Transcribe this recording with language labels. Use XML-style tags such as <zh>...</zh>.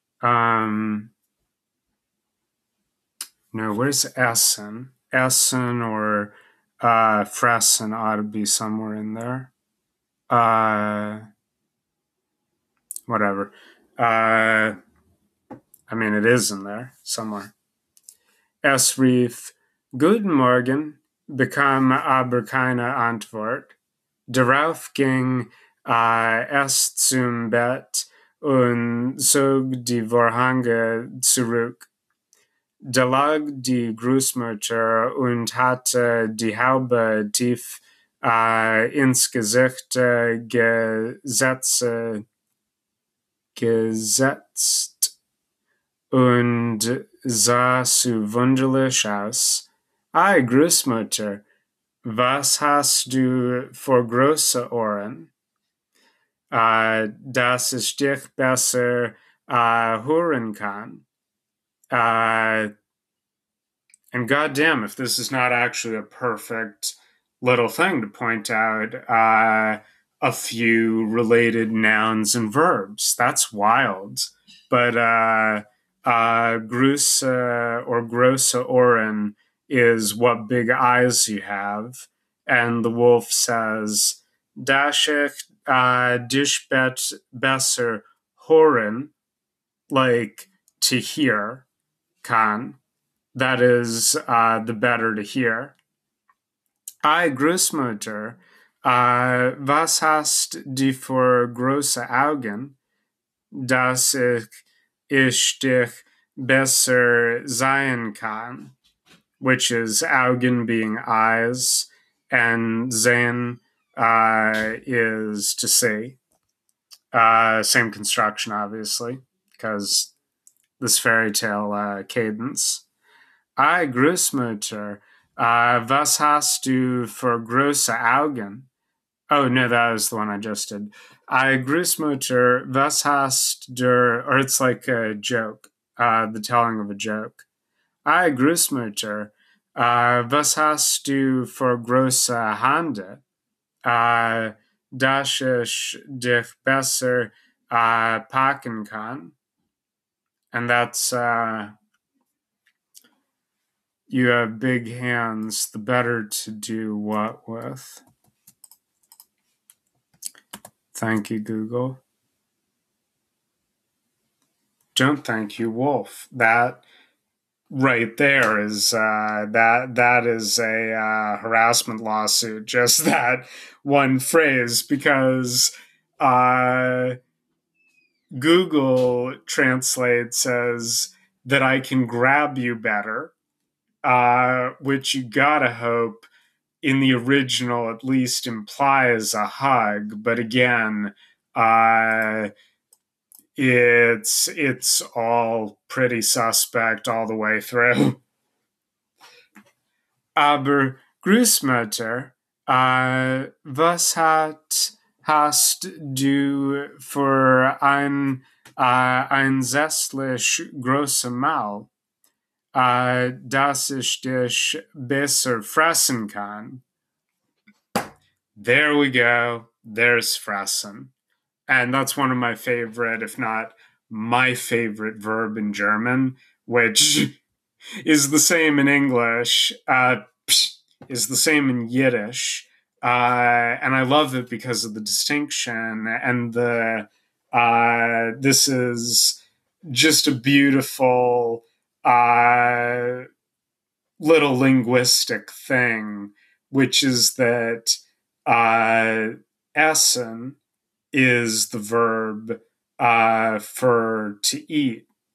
<en>No, where's Essen? Essen or Fressen ought to be somewhere in there. Whatever. I mean, it is in there somewhere.</en> <de>Es rief, Guten Morgen, bekam aber keine Antwort. Darauf ging es zum Bett und zog die Vorhänge zurück. Da lag die Großmutter und hatte die Haube tief ins Gesicht gesetzt und sah so wunderlich aus. Ei, Großmutter, was hast du für große Ohren? Dass ich dich besser hören kann.</de> <en>And goddamn, if this is not actually a perfect little thing to point out a few related nouns and verbs. That's wild. But grusa or</en> <de>grosse Ohren</de> <en>is what big eyes you have. And the wolf says,</en> <de>Dass ich dich besser hören,</de> <en>like to hear. Kann, that is the better to hear.</en> <de>Ei, Großmutter, was hast du für große Augen, dass ich dich besser sehen kann,</de> <en>which is Augen being eyes, and sehen is to see. Same construction, obviously, because this fairy tale cadence.</en> <de>Ei, Großmutter, was hast du für große Augen?</de> <en>Oh, no, that was the one I just did.</en> <de>Ei, Großmutter, was hast du,</de> <en>or it's like a joke, the telling of a joke.</en> <de>Ei, Großmutter, was hast du für große Hände? Dass ich dich besser packen kann.</de> <en>And that's, you have big hands, the better to do what with? Thank you, Google. Don't thank you, Wolf. That right there is, that is a harassment lawsuit. Just that one phrase, because, Google Translate says that I can grab you better, which you gotta hope in the original at least implies a hug. But again, it's all pretty suspect all the way through.</en> <de>Aber Großmutter, was hat... Hast du für ein zestlich große Maul, dass ich dich besser fressen kann?</de> <en>There we go. There's fressen. And that's one of my favorite, if not my favorite verb in German, which is the same in English, is the same in Yiddish. And I love it because of the distinction and the, this is just a beautiful, little linguistic thing, which is that, essen is the verb, for to eat.</en>